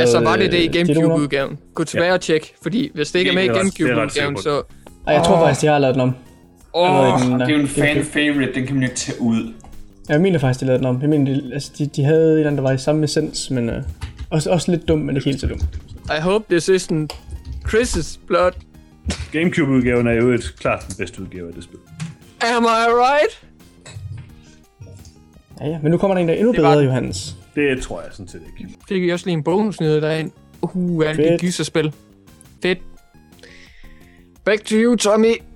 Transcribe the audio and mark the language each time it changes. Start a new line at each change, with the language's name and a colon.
Danish: Altså, var det i GameCube-udgaven? Gå tilbage og tjek, fordi hvis det ikke er med i GameCube-udgaven, så... Ej, jeg tror faktisk, de har lavet den om. Det er jo en fan-favorite, den kan man jo tage ud. Ja, jeg mener faktisk, de lavede den om. Jeg mener, de havde et eller andet, der var i samme essens, men også lidt dumt, men ikke helt så dumt.
English: I hope this isn't Chris's blood.
Danish: GameCube-udgaven er jo et klart den bedste udgave af det spil.
English: Am I right?
Danish: Ja, ja, men nu kommer der en, der endnu bedre, Johannes. Det tror jeg sådan set ikke. Fik vi også lige en bonusnyhed derind. Alle de gyserspil. Fedt.
English: Back to you,
Danish: Tommy.